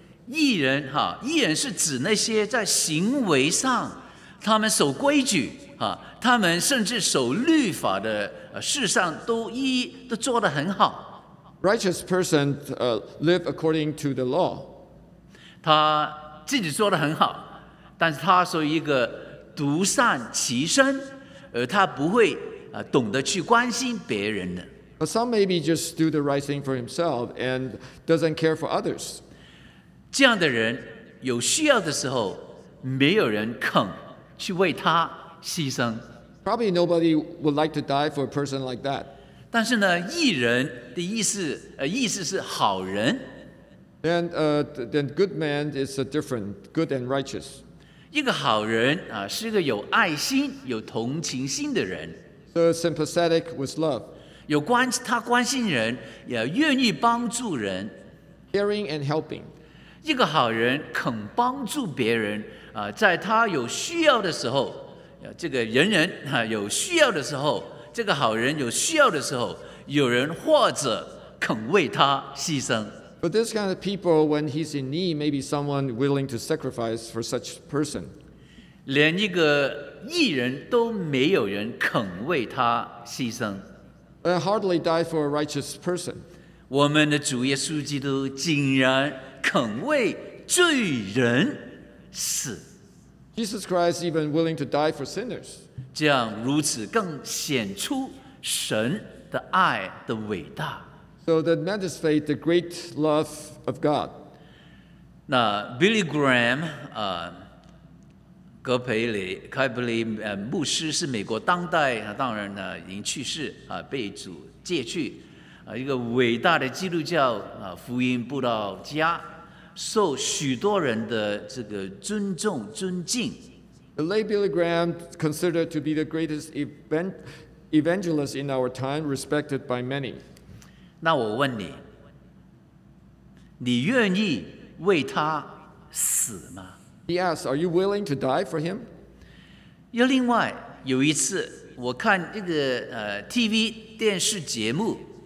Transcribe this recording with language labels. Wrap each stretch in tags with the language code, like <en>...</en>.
<zh>义人哈，义人是指那些在行为上，他们守规矩哈，他们甚至守律法的事上都做得很好。</zh> <en>Righteous person live according to the law.</en> <zh>他自己做得很好，但是他是一个独善其身，而他不会懂得去关心别人的。</zh> <en>But some maybe just do the right thing for himself and doesn't care for others.</en> <zh>这样的人有需要的时候，没有人肯去为他牺牲。</zh> <en>Probably nobody would like to die for a person like that.</en> <zh>但是呢，义人的意思是好人。</zh> <en>And then good man is a different good and righteous.</en> <zh>一个好人啊，是一个有爱心、有同情心的人。</zh> <en>So sympathetic with love.</en> <zh>他关心人，也愿意帮助人。</zh> <en>Caring and helping.</en> <zh>一个好人肯帮助别人，在他有需要的时候，这个人人有需要的时候，这个好人有需要的时候，有人或者肯为他牺牲。</zh> <en>But this kind of people, when he's in need, maybe someone willing to sacrifice for such person.</en> <zh>连一个义人都没有人肯为他牺牲。</zh> <en>And hardly die for a righteous person.</en> <zh>我们的主耶稣基督竟然肯为罪人死。</zh> <en>Jesus Christ even willing to die for sinners.</en> <zh>这样如此更显出神的爱的伟大。</zh> <en>So that manifests the great love of God.</en> <zh>那 Billy Graham, 格培里凯布里牧师是美国当代当然已经去世被主借去一个伟大的基督教福音布道家受许多人的这个尊重尊敬</zh> <en>The late Billy Graham considered to be the greatest evangelist in our time respected by many</en> <zh>那我问你你愿意为他死吗</zh> <en>He asked, are you willing to die for him?</en> <zh>又另外有一次我看一个TV 电视节目</zh>